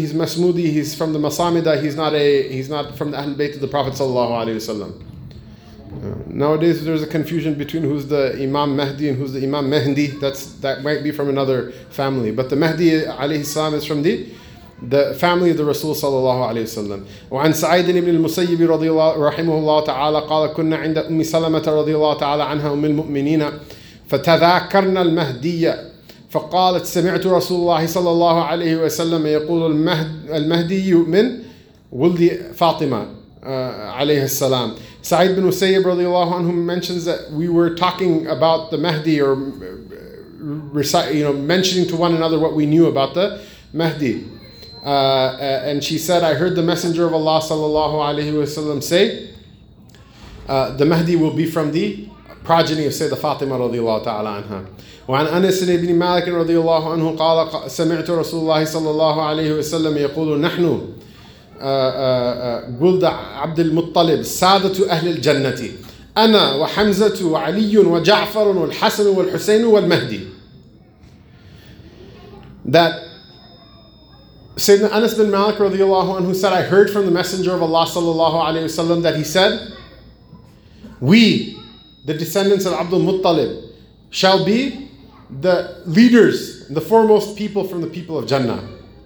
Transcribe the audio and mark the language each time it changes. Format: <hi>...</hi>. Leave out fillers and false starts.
<en>He's Masmudi, he's from the Masamida, he's not from the Ahl Bayt of the Prophet sallallahu alaihi wasallam. Nowadays there's a confusion between who's the Imam Mahdi and who's the Imam Mahdi. That might be from another family. But the Mahdi alayhi salam is from the family of the Rasul sallallahu alaihi wasallam.</en> <ar>وعن سعيد بن المسيب رضي الله رحمه الله تعالى قال كنا عند أم سلمة رضي الله تعالى عنها أم المؤمنين فتذاكرنا المهدية فقالت سمعت رسول الله صلى الله عليه وسلم يقول المهدي من ولد فاطمة عليه السلام.</ar> <en>سعيد بن المسيب رضي الله عنه mentions that we were talking about the Mahdi, or you know, mentioning to one another what we knew about the Mahdi. And she said, I heard the Messenger of Allah sallallahu alayhi wa sallam say, the Mahdi will be from the progeny of Sayyidah Fatima radiallahu ta'ala anha.</en> <ar>وعن أنس بن مالك radiallahu anhu قال سمعت رسول الله sallallahu alayhi wa sallam يقول نحن قلد عبد المطلب سادة أهل الجنة أنا وحمزة وعلي وجعفر والحسن والحسين والمهدي.</ar> <en>That Sayyidina Anas bin Malik radiallahu anhu said, I heard from the Messenger of Allah sallallahu alayhi wa sallam that he said, we, the descendants of Abdul Muttalib, shall be the leaders, the foremost people from the people of Jannah.</en>